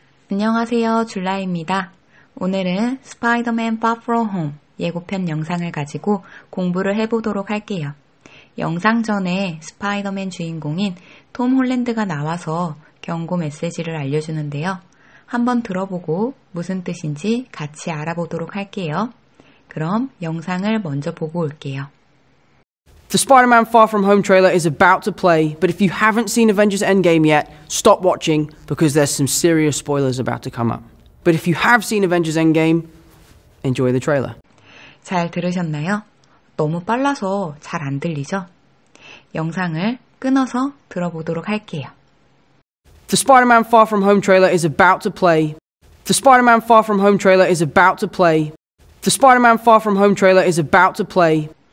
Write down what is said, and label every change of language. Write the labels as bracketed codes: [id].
[ko] 안녕하세요, 줄라이입니다. 오늘은 스파이더맨 Far From Home 예고편 영상을 가지고 공부를 해보도록 할게요. 영상 전에 스파이더맨 주인공인 톰 홀랜드가 나와서 경고 메시지를 알려주는데요. 한번 들어보고 무슨 뜻인지 같이 알아보도록 할게요. 그럼 영상을 먼저 보고 올게요. [en] The Spider-Man Far From Home trailer is about to play, but if you haven't seen Avengers Endgame yet, stop watching because there's some serious spoilers about to come up. But if you have seen Avengers Endgame, enjoy the trailer. [ko] 잘 들으셨나요? 너무 빨라서 잘안 들리죠? 영상을 끊어서 들어보도록 할게요. [en] The Spider-Man Far From Home trailer is about to play. The Spider-Man Far From Home trailer is about to play. The Spider-Man Far From Home trailer is about to play.